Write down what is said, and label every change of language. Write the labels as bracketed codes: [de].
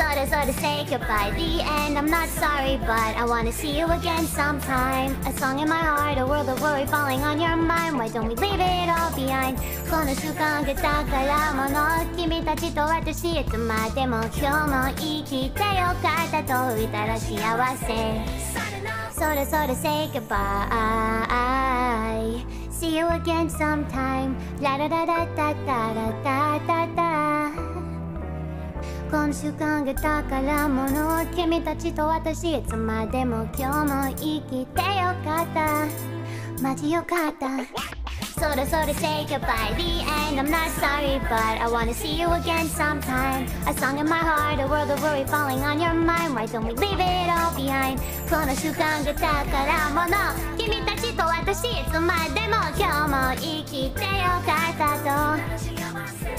[en] Sorta say goodbye, the end. I'm not sorry, but I wanna see you again sometime. A song in my heart, a world of worry falling on your mind. Why don't we leave it all behind? [ja] この習慣が宝物、君たちと私いつまでも今日も生きてよかったと言ったら幸せ。 [en] Sorta say goodbye. See you again sometime. La da da da da da da da da da. [ja] この習慣が宝物、君たちと私いつまでも今日も生きてよかった。マジよかった。 [en] Sorta say goodbye, the end. I'm not sorry, but I wanna see you again sometime. A song in my heart, a world of worry falling on your mind. Why don't we leave it all behind? [ja] この習慣が宝物、君たちと私いつまでも今日も生きてよかったと。